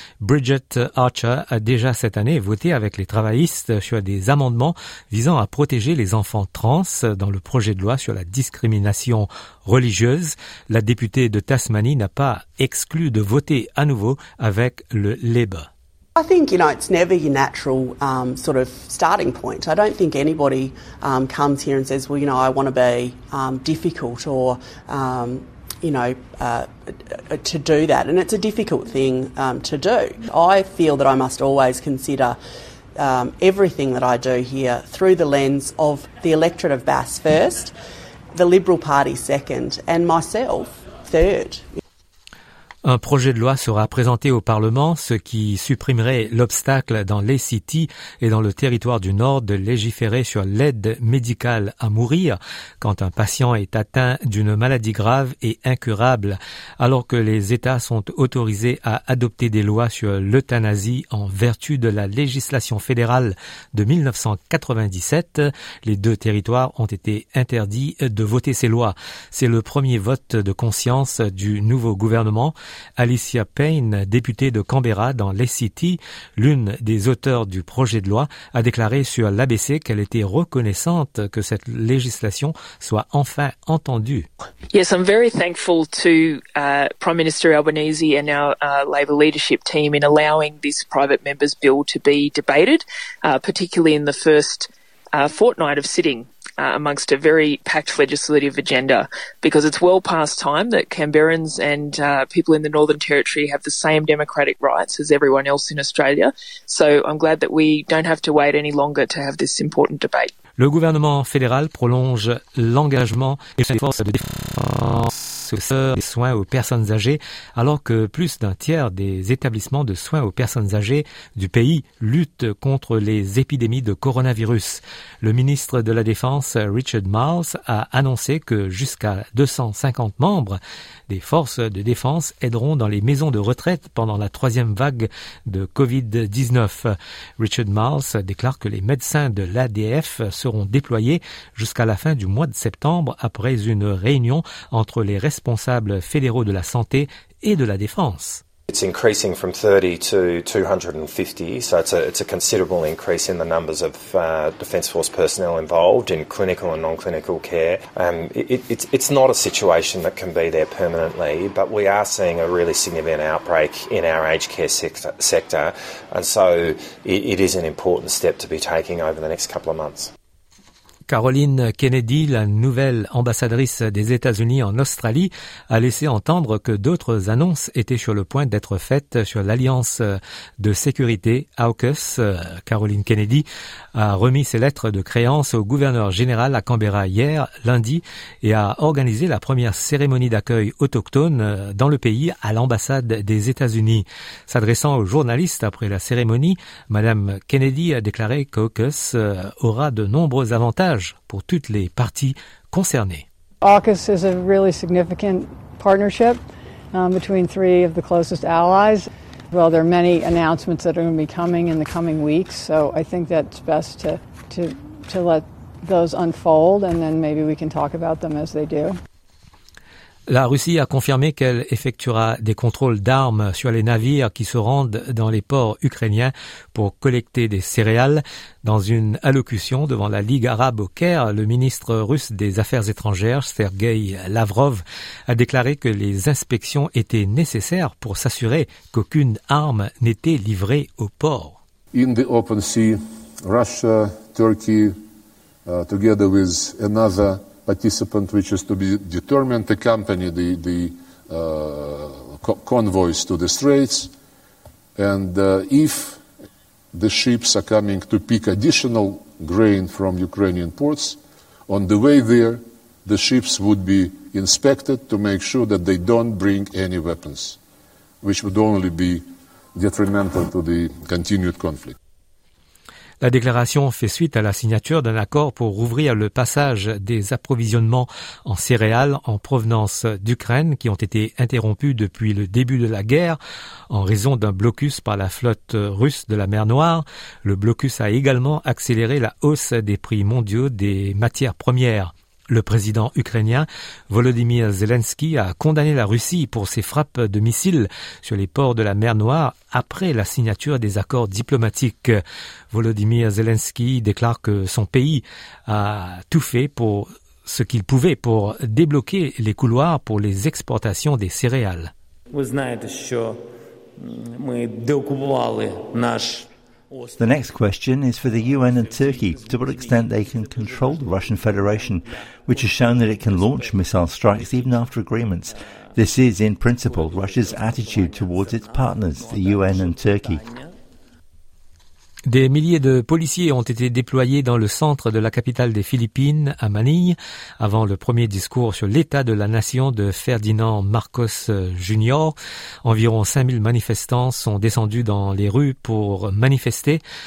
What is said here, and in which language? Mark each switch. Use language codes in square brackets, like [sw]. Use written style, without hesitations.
[fr] Bridget Archer a déjà cette année voté avec les travaillistes sur des amendements visant à protéger les enfants trans dans le projet de loi sur la discrimination religieuse. La députée de Tasmanie n'a pas exclu de voter à nouveau avec le Labour. [en] I think, it's never your natural sort of starting point. I don't think anybody comes here and says, well, I want to be difficult or, to do that. And it's a difficult thing to do. I feel that I must always consider everything that I do here through the lens of the electorate of Bass first, the Liberal Party second, and myself third. [fr] Un projet de loi sera présenté au Parlement, ce qui supprimerait l'obstacle dans les cities et dans le territoire du Nord de légiférer sur l'aide médicale à mourir quand un patient est atteint d'une maladie grave et incurable, alors que les États sont autorisés à adopter des lois sur l'euthanasie en vertu de la législation fédérale de 1997. Les deux territoires ont été interdits de voter ces lois. C'est le premier vote de conscience du nouveau gouvernement. Alicia Payne, députée de Canberra dans l'ACT, l'une des auteurs du projet de loi, a déclaré sur l'ABC qu'elle était reconnaissante que cette législation soit enfin entendue. [en] Yes, I'm very thankful to Prime Minister Albanese and our Labor leadership team in allowing this private members bill to be debated, particularly in the first fortnight of sitting. Amongst a very packed legislative agenda, because it's well past time that Canberrans and people in the Northern Territory have the same democratic rights as everyone else in Australia. So I'm glad that we don't have to wait any longer to have this important debate. [fr] Le gouvernement fédéral prolonge l'engagement et les forces de défense aux soeurs des soins aux personnes âgées, alors que plus d'un tiers des établissements de soins aux personnes âgées du pays luttent contre les épidémies de coronavirus. Le ministre de la Défense, Richard Miles, a annoncé que jusqu'à 250 membres des forces de défense aideront dans les maisons de retraite pendant la troisième vague de COVID-19. Richard Miles déclare que les médecins de l'ADF seront déployés jusqu'à la fin du mois de septembre après une réunion entre les responsables fédéraux de la santé et de la défense. [en] It's increasing from 30 to 250, so it's a considerable increase in the numbers of Defence Force personnel involved in clinical and non-clinical care. It's not a situation that can be there permanently, but we are seeing a really significant outbreak in our aged care sector, and so it is an important step to be taking over the next couple of months. [fr] Caroline Kennedy, la nouvelle ambassadrice des États-Unis en Australie, a laissé entendre que d'autres annonces étaient sur le point d'être faites sur l'alliance de sécurité AUKUS. Caroline Kennedy a remis ses lettres de créance au gouverneur général à Canberra hier, lundi, et a organisé la première cérémonie d'accueil autochtone dans le pays à l'ambassade des États-Unis. S'adressant aux journalistes après la cérémonie, Madame Kennedy a déclaré qu'AUKUS aura de nombreux avantages pour toutes les parties concernées. [en] AUKUS is a really significant partnership between three of the closest allies. Well, there are many announcements that are going to be coming in the coming weeks, so I think that's best to let those unfold and then maybe we can talk about them as they do. [fr] La Russie a confirmé qu'elle effectuera des contrôles d'armes sur les navires qui se rendent dans les ports ukrainiens pour collecter des céréales. Dans une allocution devant la Ligue arabe au Caire, le ministre russe des Affaires étrangères, Sergueï Lavrov, a déclaré que les inspections étaient nécessaires pour s'assurer qu'aucune arme n'était livrée au port. [en] In the open sea, Russia, Turkey, together with another participant which is to be determined to accompany the convoys to the straits, and if the ships are coming to pick additional grain from Ukrainian ports, on the way there the ships would be inspected to make sure that they don't bring any weapons, which would only be detrimental to the continued conflict. [fr] La déclaration fait suite à la signature d'un accord pour rouvrir le passage des approvisionnements en céréales en provenance d'Ukraine qui ont été interrompus depuis le début de la guerre en raison d'un blocus par la flotte russe de la mer Noire. Le blocus a également accéléré la hausse des prix mondiaux des matières premières. Le président ukrainien Volodymyr Zelensky a condamné la Russie pour ses frappes de missiles sur les ports de la mer Noire après la signature des accords diplomatiques. Volodymyr Zelensky déclare que son pays a tout fait pour ce qu'il pouvait pour débloquer les couloirs pour les exportations des céréales. Vous savez que nous occupons notre... [en] The next question is for the UN and Turkey, to what extent they can control the Russian Federation, which has shown that it can launch missile strikes even after agreements. This is, in principle, Russia's attitude towards its partners, the UN and Turkey. [fr] Des milliers de policiers ont été déployés dans le centre de la capitale des Philippines, à Manille, avant le premier discours sur l'état de la nation de Ferdinand Marcos Jr. Environ 5000 manifestants sont descendus dans les rues pour manifester.